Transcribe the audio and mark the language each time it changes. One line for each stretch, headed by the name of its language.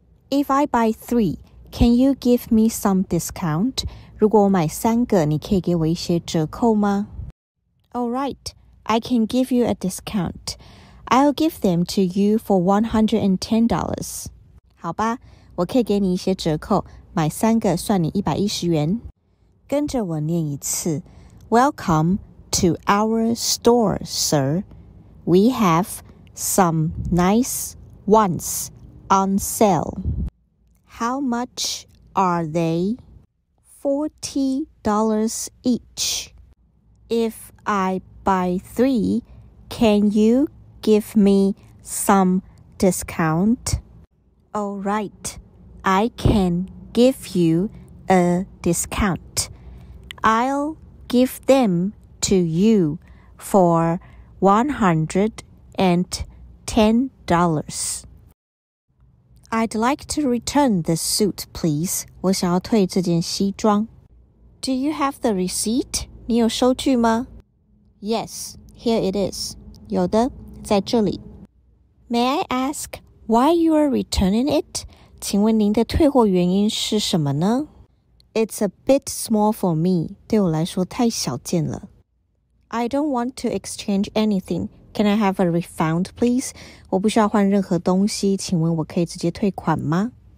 English: If I buy three, can you give me some discount?
Chinese: 如果我买三个，你可以给我一些折扣吗？
English: All right, I can give you a discount. I'll give them to you for $110.
Chinese: 好吧，我可以给你一些折扣，买三个算你110元。跟着我念一次。
English: Welcome to our store, sir. We have some nice ones on sale. How much are they? $40 each. If I buy three, can you give me some discount? All right, I can give you a discount. I'll give them to you for $110. I'd like to return this suit, please.
Chinese: 我想要退这件西装。
English: Do you have the receipt?
Chinese: 你有收据吗？
English: Yes, here it is.
Chinese: 有的，在这里。
English: May I ask why you are returning it?
Chinese: 请问您的退货原因是什么呢？
English: It's a bit small for me.
Chinese: 对我来说太小件了。
English: I don't want to exchange anything. Can I have a refund, please?
Chinese: 我不需要换任何东西，请问我可以直接退款吗？